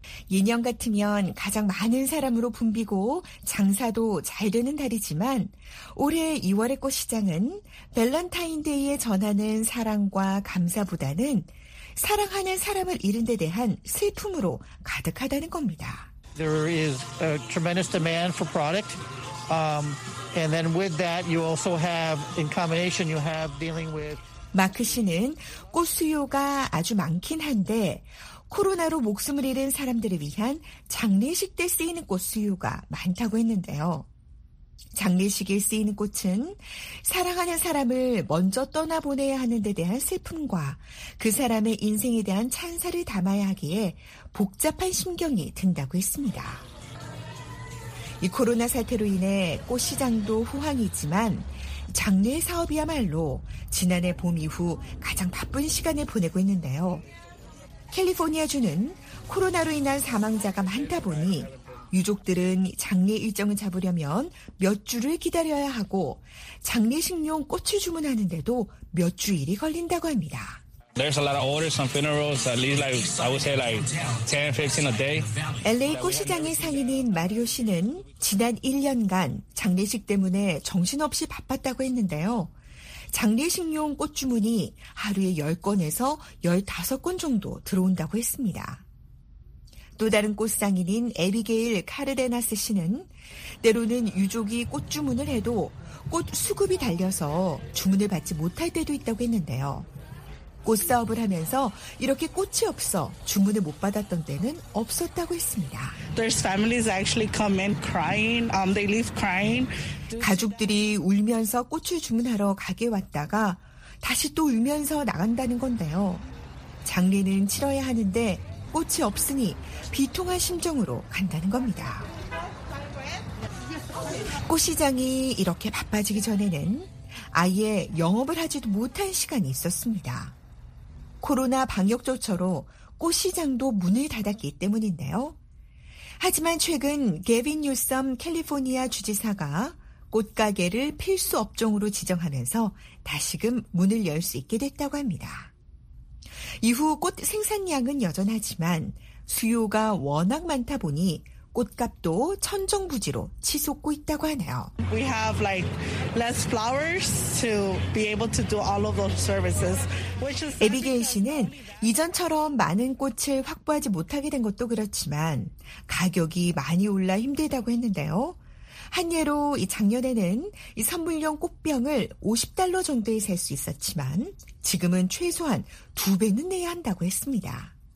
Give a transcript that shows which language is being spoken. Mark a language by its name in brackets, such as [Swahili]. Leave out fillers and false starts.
[Korean] 예년 같으면 가장 많은 사람으로 붐비고 장사도 잘 되는 달이지만 올해 2월의 꽃시장은 밸런타인데이에 전하는 사랑과 감사보다는 사랑하는 사람을 잃은 데 대한 슬픔으로 가득하다는 겁니다. [English] There is a tremendous demand for product. And then with that, you also have, in combination, you have dealing with. [Korean] 마크 씨는 꽃 수요가 아주 많긴 한데 코로나로 목숨을 잃은 사람들을 위한 장례식 때 쓰이는 꽃 수요가 많다고 했는데요. 장례식에 쓰이는 꽃은 사랑하는 사람을 먼저 떠나보내야 하는 데 대한 슬픔과 그 사람의 인생에 대한 찬사를 담아야 하기에 복잡한 심경이 든다고 했습니다. 이 코로나 사태로 인해 꽃시장도 호황이지만 장례 사업이야말로 지난해 봄 이후 가장 바쁜 시간을 보내고 있는데요. 캘리포니아주는 코로나로 인한 사망자가 많다 보니 유족들은 장례 일정을 잡으려면 몇 주를 기다려야 하고 장례식용 꽃을 주문하는데도 몇 주일이 걸린다고 합니다. [English] There's a lot of orders on funerals, at least like, I would say like 10, 15 a day. [Korean] LA 꽃시장의 상인인 마리오 씨는 지난 1년간 장례식 때문에 정신없이 바빴다고 했는데요. 장례식용 꽃 주문이 하루에 10건에서 15건 정도 들어온다고 했습니다. 또 다른 꽃상인인 에비게일 카르데나스 씨는 때로는 유족이 꽃 주문을 해도 꽃 수급이 달려서 주문을 받지 못할 때도 있다고 했는데요. 꽃 사업을 하면서 이렇게 꽃이 없어 주문을 못 받았던 때는 없었다고 했습니다. [English] There's families actually come in crying. They leave crying. [Korean] 가족들이 울면서 꽃을 주문하러 가게 왔다가 다시 또 울면서 나간다는 건데요. 장례는 치러야 하는데 꽃이 없으니 비통한 심정으로 간다는 겁니다. 꽃시장이 이렇게 바빠지기 전에는 아예 영업을 하지도 못한 시간이 있었습니다. 코로나 방역 조처로 꽃시장도 문을 닫았기 때문인데요. 하지만 최근 게빈 뉴섬 캘리포니아 주지사가 꽃가게를 필수 업종으로 지정하면서 다시금 문을 열 수 있게 됐다고 합니다. 이후 꽃 생산량은 여전하지만 수요가 워낙 많다 보니 꽃값도 천정부지로 치솟고 있다고 하네요. [English] We have like less flowers to be able to do all of those services. [Korean] 에비게일 씨는 이전처럼 많은 꽃을 확보하지 못하게 된 것도 그렇지만 가격이 많이 올라 힘들다고 했는데요. 한 예로 작년에는 선물용 꽃병을 $50 정도에 살 수 있었지만 지금은 최소한 두 배는 내야 한다고 했습니다.